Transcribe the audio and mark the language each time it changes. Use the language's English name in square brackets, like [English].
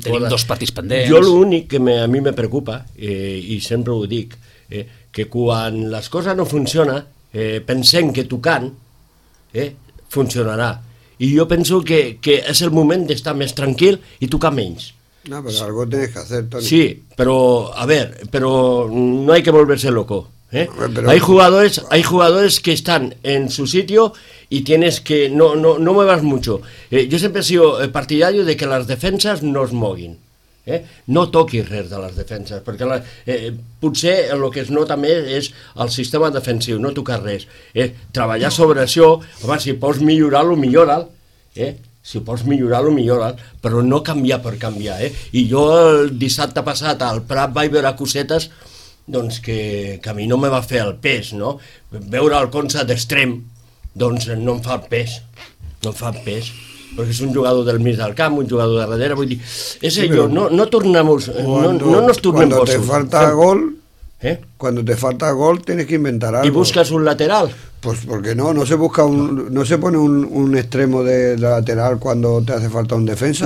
[Catalan] tenim dos partits pendents. Jo l'únic que a mi me preocupa, i sempre ho dic, que quan les coses no funcionen, pensem que tocant funcionarà. I jo penso que és el moment d'estar més tranquil i tocar menys. No, però sí. [Spanish] Algo tienes que hacer, Toni. Sí, però a ver, però no hay que volverse loco. Pero hay jugadores que están en su sitio y tienes que no muevas mucho. Yo siempre he sido partidario de que las defensas no [Catalan] es moguin. No toquis res de les defenses, perquè potser el que es nota més és el sistema defensiu, no tocar res. Treballar sobre això, home, si pots millorar-lo, millora'l. Si pots millorar-lo, millora'l, però no canviar per canviar. I jo el dissabte passat al Prat vaig veure cosetes, doncs que a mi no me va fer el pes, no? Veure el Conça d'extrem, doncs no em fa el pes, no em fa el pes. Perquè és un jugador del mig del camp, un jugador de darrere, vull dir, és allò, no tornem, no nos tornem bossos. Quan te falta gol, [Spanish] cuando te falta gol, tienes que inventar algo. ¿Y buscas un lateral? Pues porque no se busca un, no se pone un extremo de lateral cuando te hace falta un defensa.